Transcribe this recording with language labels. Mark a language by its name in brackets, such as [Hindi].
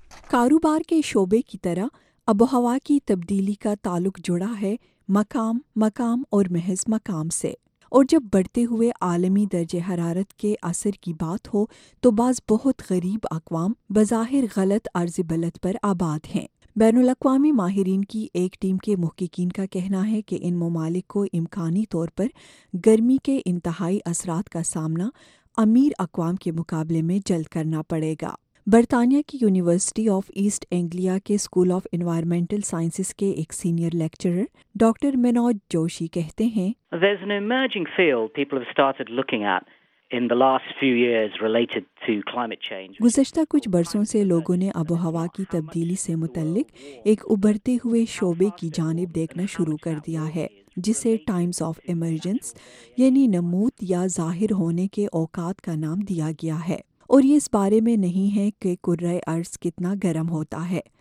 [Urdu] کاروبار کے شعبے کی طرح آب و ہوا کی تبدیلی کا تعلق جڑا ہے مقام، مقام اور محض مقام سے، اور جب بڑھتے ہوئے عالمی درجہ حرارت کے اثر کی بات ہو تو بعض بہت غریب اقوام بظاہر غلط عرض بلد پر آباد ہیں۔ بین الاقوامی ماہرین کی ایک ٹیم کے محققین کا کہنا ہے کہ ان ممالک کو امکانی طور پر گرمی کے انتہائی اثرات کا سامنا امیر اقوام کے مقابلے میں جلد کرنا پڑے گا۔ برطانیہ کی یونیورسٹی آف ایسٹ اینگلیا کے اسکول آف انوائرمنٹل سائنسز کے ایک senior lecturer doctor Manoj Joshi کہتے ہیں، [English] There's an emerging field people have started looking at in the last few years related to climate change. [Urdu] گزشتہ کچھ برسوں سے لوگوں نے آب و ہوا کی تبدیلی سے متعلق ایک ابھرتے ہوئے شعبے کی جانب دیکھنا شروع کر دیا ہے، جسے ٹائمز آف ایمرجنس یعنی نموت یا ظاہر ہونے کے اوقات کا نام دیا گیا ہے، اور یہ اس بارے میں نہیں ہے کہ کرۂ ارض کتنا گرم ہوتا ہے۔